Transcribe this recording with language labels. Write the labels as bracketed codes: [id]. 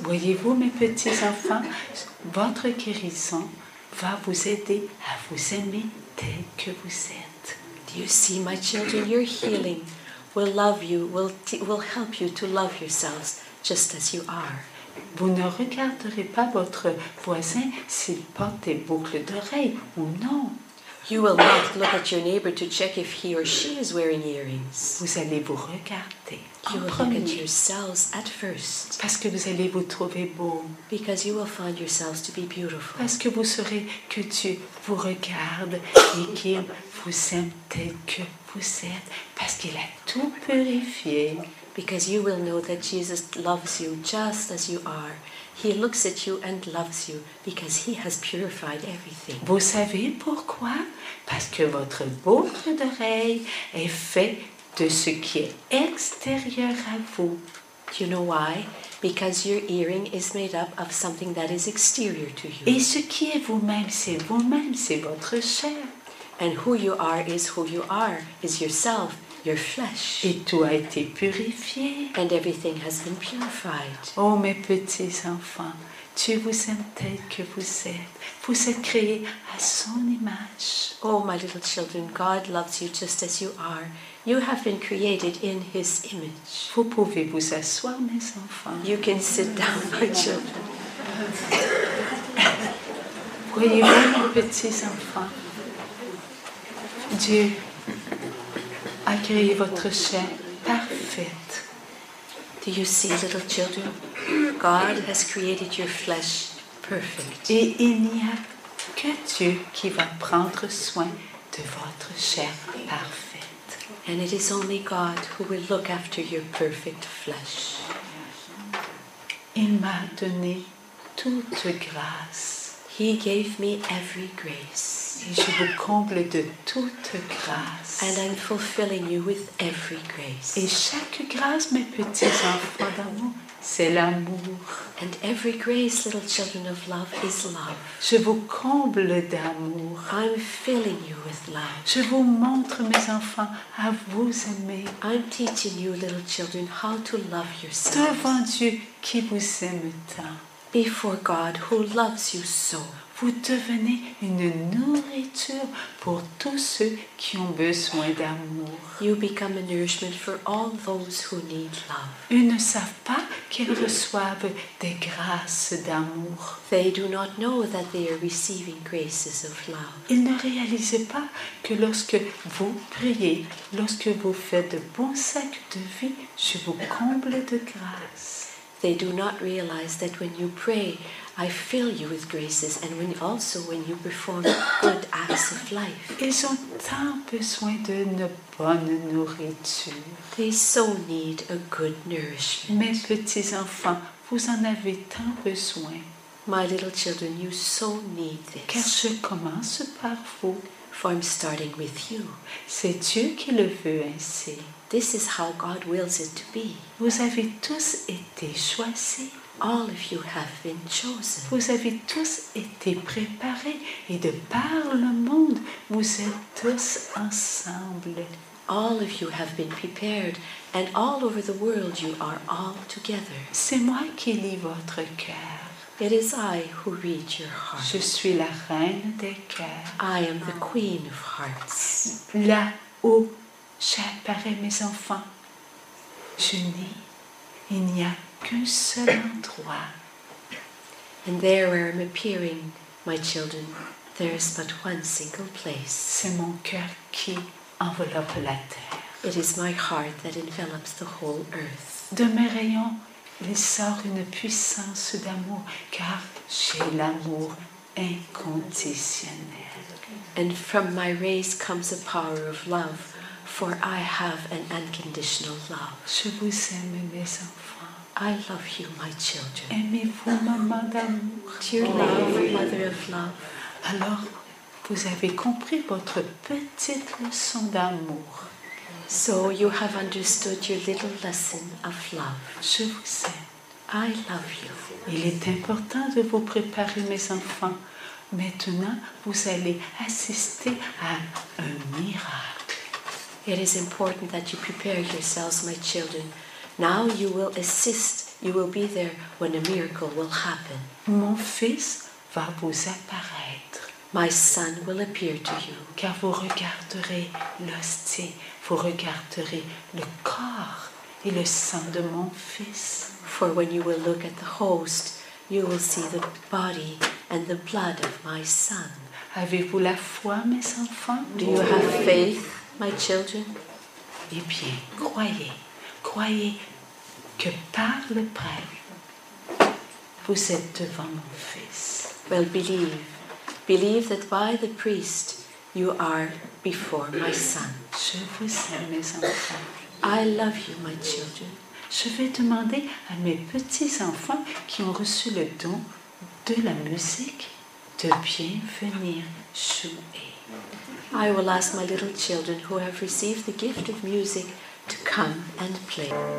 [fr] Voyez-vous, mes petits enfants, votre guérison va vous aider à vous aimer tel que vous êtes. [en] Do you see, my children, your healing will love you, will help you to love yourselves just as you are. [fr] Vous ne regarderez pas votre voisin s'il porte des boucles d'oreilles ou non. [en] You will not look at your neighbor to check if he or she is wearing earrings. [fr] Vous allez vous regarder. [en] You will look at yourselves at first. [fr] Parce que vous allez vous trouver beau. [en] Because you will find yourselves to be beautiful. [fr] Parce que vous saurez que Dieu vous regarde et qu'il vous aime tel que vous êtes. Parce qu'il a tout purifié. [en] Because you will know that Jesus loves you just as you are. He looks at you and loves you because he has purified everything. [fr] Vous savez pourquoi? Parce que votre boucle d'oreille est faite de ce qui est extérieur à vous. [en] Do you know why? Because your earring is made up of something that is exterior to you. [fr] Et ce qui est vous-même, c'est votre chair. [en] And who you are is who you are, is yourself. Your flesh. [fr] Et tout a été purifié. [en] And everything has been purified. [fr] Oh, mes petits enfants, Dieu vous aime tel que vous êtes. Vous êtes créés à son image. [en] Oh, my little children, God loves you just as you are. You have been created in his image. [fr] Vous pouvez vous asseoir, mes enfants. [en] You can sit down, my children. [fr] Voyez-vous, mes petits enfants, Dieu a créé votre chair parfaite. [en] Do you see, little children? God has created your flesh perfect. [fr] Et il n'y a que Dieu qui va prendre soin de votre chair parfaite. [en] And it is only God who will look after your perfect flesh. [fr] Il m'a donné toute grâce. [en] He gave me every grace. [fr] Et je vous comble de toute grâce. [en] And I'm fulfilling you with every grace. [fr] Et chaque grâce, mes petits enfants d'amour, c'est l'amour. [en] And every grace, little children of love, is love. [fr] Je vous comble d'amour. [en] I'm filling you with love. [fr] Je vous montre, mes enfants, à vous aimer. [en] I'm teaching you, little children, how to love yourself. [fr] Devant Dieu qui vous aime tant. [en] Before God who loves you so. [fr] Vous devenez une nourriture pour tous ceux qui ont besoin d'amour. [en] You become a nourishment for all those who need love. [fr] Ils ne savent pas qu'ils reçoivent des grâces d'amour. [en] They do not know that they are receiving graces of love. [fr] Ils ne réalisent pas que lorsque vous priez, lorsque vous faites de bons sacs de vie, je vous comble de grâce. [en] They do not realize that when you pray, I fill you with graces, and when you perform good acts of life. [fr] Ils ont tant besoin d'une bonne nourriture. [en] They so need a good nourishment. [fr] Mes petits enfants, vous en avez tant besoin. [en] My little children, you so need this. [fr] Car je commence par vous. [en] For I'm starting with you. [fr] C'est Dieu qui le veut ainsi. [en] This is how God wills it to be. [fr] Vous avez tous été choisis. [en] All of you have been chosen. [fr] Vous avez tous été préparés et de par le monde, vous êtes tous ensemble. [en] All of you have been prepared and all over the world you are all together. [fr] C'est moi qui lis votre cœur. [en] It is I who read your heart. [fr] Je suis la reine des cœurs. [en] I am the queen of hearts. [fr] Là où j'apparais mes enfants, je n'ai, il n'y a qu'un seul endroit. [en] And there where I'm appearing, my children, there is but one single place. [fr] C'est mon cœur qui enveloppe la terre. [en] It is my heart that envelops the whole earth. [fr] De mes rayons, il sort une puissance d'amour, car j'ai l'amour inconditionnel. [en] And from my rays comes a power of love, for I have an unconditional love. [fr] Je vous aime, mes enfants. [en] I love you, my children. [fr] Aimez-vous, maman d'amour. [en] Dear love, mother of love. [fr] Alors, vous avez compris votre petite leçon d'amour. [en] So you have understood your little lesson of love. [fr] Je vous aime. [en] I love you. [fr] Il est important de vous préparer, mes enfants. Maintenant, vous allez assister à un miracle. [en] It is important that you prepare yourselves, my children. Now you will assist, you will be there when a miracle will happen. [fr] Mon fils va vous apparaître. [en] My son will appear to you. [fr] Car vous regarderez l'hostie, vous regarderez le corps et le sang de mon fils. [en] For when you will look at the host, you will see the body and the blood of my son. [fr] Avez-vous la foi, mes enfants? [en] Do you have faith, my children? [fr] Eh bien, croyez. Croyez que par le prêtre, vous êtes devant mon fils. [en] Well, believe. Believe that by the priest, you are before my son. [fr] Je vous aime, mes enfants. [en] I love you, my children. [fr] Je vais demander à mes petits-enfants qui ont reçu le don de la musique de bien venir jouer. [en] I will ask my little children who have received the gift of music to come and play.